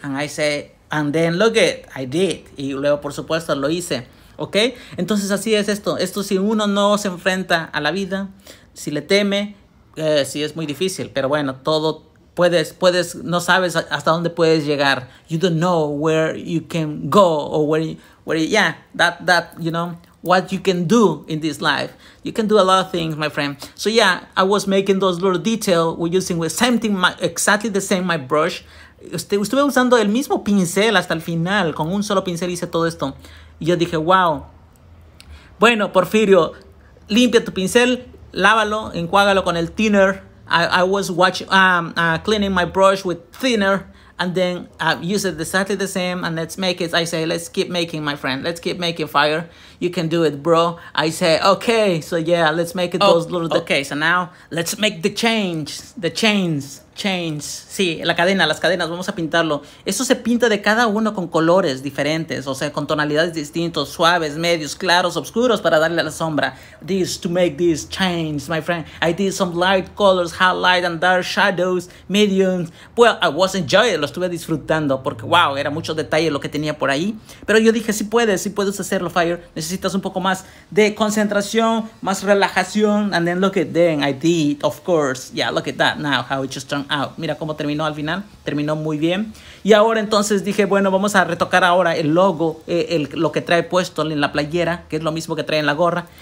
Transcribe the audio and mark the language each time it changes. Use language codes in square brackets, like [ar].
[en] And I say, and then look it, I did. [es] Y luego, por supuesto, lo hice. ¿Ok? Entonces, así es esto. Esto, si uno no se enfrenta a la vida, si le teme, sí es muy difícil. Pero bueno, todo puedes, no sabes hasta dónde puedes llegar. [en] You don't know where you can go or where you know, what you can do in this life. You can do a lot of things, my friend. So yeah, I was making those little details. We're using the same thing, exactly the same, my brush. [es] Estuve usando el mismo pincel hasta el final. Con un solo pincel hice todo esto. Y yo dije, wow. Bueno, Porfirio, limpia tu pincel, lávalo, enjuágalo con el thinner. [en] I was cleaning my brush with thinner and then use it exactly the same and let's make it. I say, let's keep making, my friend. Let's keep making fire. You can do it, bro. I say, okay. So yeah, let's make it Okay, so now let's make the change. The chains. Chains. [es] Sí, la cadena, las cadenas. Vamos a pintarlo. Eso se pinta de cada uno con colores diferentes. O sea, con tonalidades distintos, suaves, medios, claros, oscuros, para darle a la sombra. [en] This, to make these chains, my friend. I did some light colors, hot light and dark shadows, mediums. Well, I was enjoying it. [es] Lo estuve disfrutando porque, wow, era mucho detalle lo que tenía por ahí. Pero yo dije, sí puedes hacerlo, Fire. Necesitas un poco más de concentración, más relajación. [en] And then look at then, I did, of course. Yeah, look at that now, how it just turned out. [es] Mira cómo terminó al final. Terminó muy bien. Y ahora entonces dije, bueno, vamos a retocar ahora el logo, lo que trae puesto en la playera, que es lo mismo que trae en la gorra.